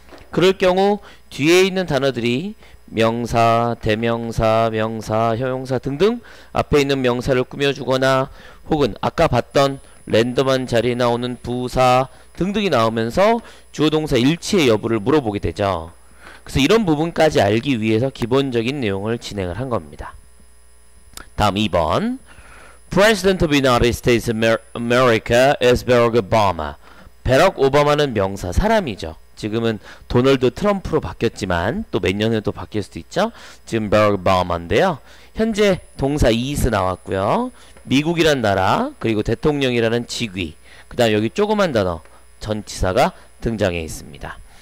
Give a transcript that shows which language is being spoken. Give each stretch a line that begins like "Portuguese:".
Korean: 그럴 경우 뒤에 있는 단어들이 명사, 대명사, 명사, 형용사 등등 앞에 있는 명사를 꾸며주거나 혹은 아까 봤던 랜덤한 자리에 나오는 부사 등등이 나오면서 주어 동사 일치의 여부를 물어보게 되죠. 그래서 이런 부분까지 알기 위해서 기본적인 내용을 진행을 한 겁니다. 다음 2번.
English: President of United States America is Barack Obama.
Korean: 배럭 오바마는 명사 사람이죠. 지금은 도널드 트럼프로 바뀌었지만 또몇 년에 또 바뀔 수도 있죠. 지금 배럭 오바마인데요. 현재 동사 is 나왔고요. 미국이란 나라, 그리고 대통령이라는 직위, 그 다음 여기 조그만 단어, 전치사가 등장해 있습니다.